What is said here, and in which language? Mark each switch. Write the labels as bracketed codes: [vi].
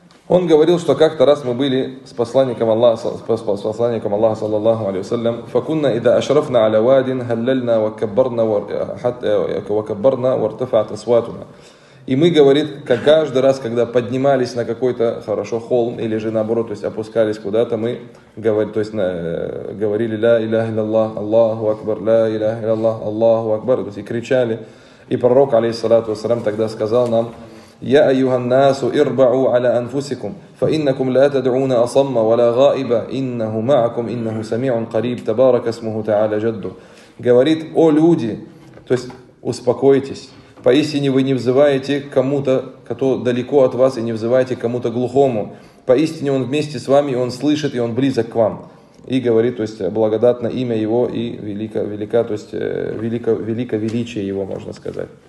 [ru] Он говорил, что как-то раз мы были с посланником Аллаха, с посланником Аллаха, саллаллаху алейхи ва саллям, [ar] فكنا اذا اشرفنا على واد هللنا وكبرنا حتى وكبرنا وارتفعت اصواتنا. [ru] И мы, говорит, как каждый раз, когда поднимались на какой-то хорошо холм, или же наоборот, то есть опускались куда-то, мы говорили, то есть говорили ля иляха илляллах, Аллаху акбар, ля иляха илляллах, Аллаху акбар, то есть и кричали. И пророк, алейхиссалату вассалям, тогда сказал нам: [ar] يا أيها الناس اربعوا على أنفسكم فإنكم لا تدعون أصم ولا غائبا إنه معكم إنه سميع قريب تبارك اسمه تعالى جده. [ru] Говорит: о люди, то есть успокойтесь, поистине вы не взываете к кому-то, кто далеко от вас, и не взываете к кому-то глухому, поистине он вместе с вами, он слышит и он близок к вам. И говорит, то есть благодатно имя его и велика, то есть велико величие его, можно сказать.